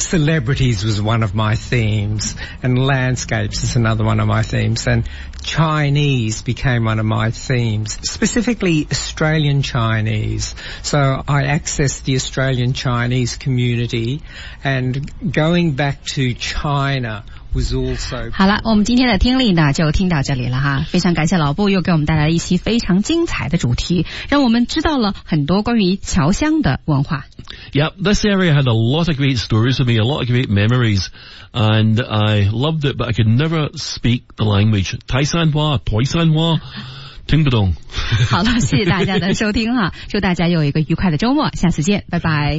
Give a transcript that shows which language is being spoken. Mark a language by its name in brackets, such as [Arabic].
[English] Celebrities was one of my themes, and landscapes is another one of my themes, and Chinese became one of my themes, specifically Australian Chinese. So I accessed the Australian Chinese community, and going back to China was also. [Chinese] 好了，我们今天的听力呢就听到这里了哈。非常感谢老布又给我们带来一期非常精彩的主题，让我们知道了很多关于侨乡的文化。 [English] Yeah, this area had a lot of great stories for me, a lot of great memories, and I loved it, but I could never speak the language. [Chinese] 台山话、台山话听不懂。好了，谢谢大家的收听哈，祝大家有一个愉快的周末，下次见，拜拜，